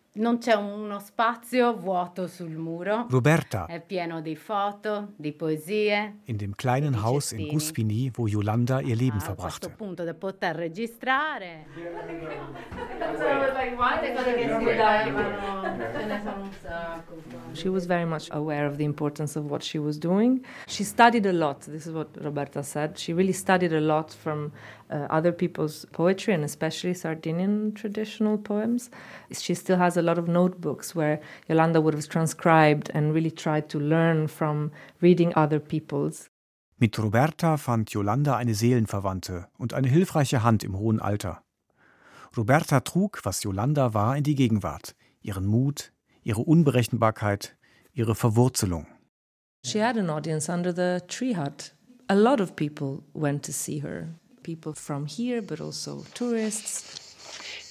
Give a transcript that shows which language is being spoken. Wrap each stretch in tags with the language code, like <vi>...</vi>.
<it>Non c'è uno spazio vuoto sul muro. Roberta. È pieno di foto, di poesie.</it> <de>In dem kleinen Haus in Guspini, wo Yolanda ihr Leben verbrachte.</de> <it>A questo punto da poter registrare.</it> <en>She was very much aware of the importance of what she was doing. She studied a lot. This is what Roberta said. She really studied a lot from other people's poetry and especially Sardinian traditional poems. She still has a lot of notebooks where Yolanda would have transcribed and really tried to learn from reading other people's.</en> <de>Mit Roberta fand Yolanda eine Seelenverwandte und eine hilfreiche Hand im hohen Alter. Roberta trug, was Yolanda war, in die Gegenwart. Ihren Mut, ihre Unberechenbarkeit, ihre Verwurzelung.</de> <en>She had an audience under the tree hut. A lot of people went to see her. People from here, but also tourists.</en>